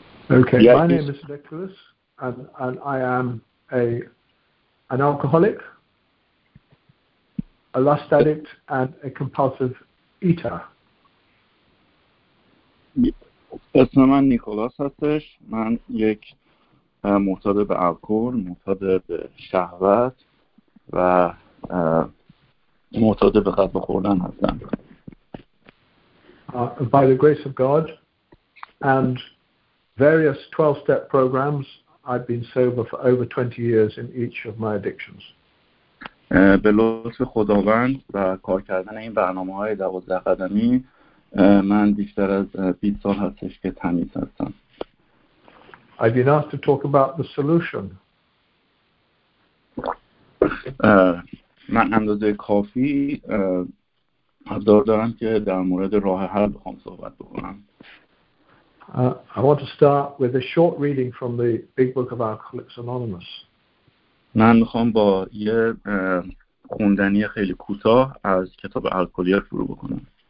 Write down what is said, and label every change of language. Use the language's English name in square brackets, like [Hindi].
[English] Okay, Yeah, my name he's. is Nicholas. And I am an alcoholic, a lust addict, and a compulsive eater. [Persian] اسم من نیکولاس هستش. من یک معتاد به الکل، معتاد به شهوت و معتاد به قتل خوردن هستم. [English] By the grace of God and various 12-step programs, I've been sober for over 20 years in each of my addictions. [Persian] به لطف خداوند و کار کردن این برنامه های 12 قدمی من بیشتر از 20 سال هستش که تمیز هستم. [English] I've been asked to talk about the solution. [Persian] من اندازه کافی ابزار دارم که در مورد راه حل بخوام صحبت بکنم. [English] I want to start with a short reading from the Big Book of Alcoholics Anonymous. [Persian] من میخوام با یه خوندنی خیلی کوتاه از کتاب الکلیات شروع بکنم.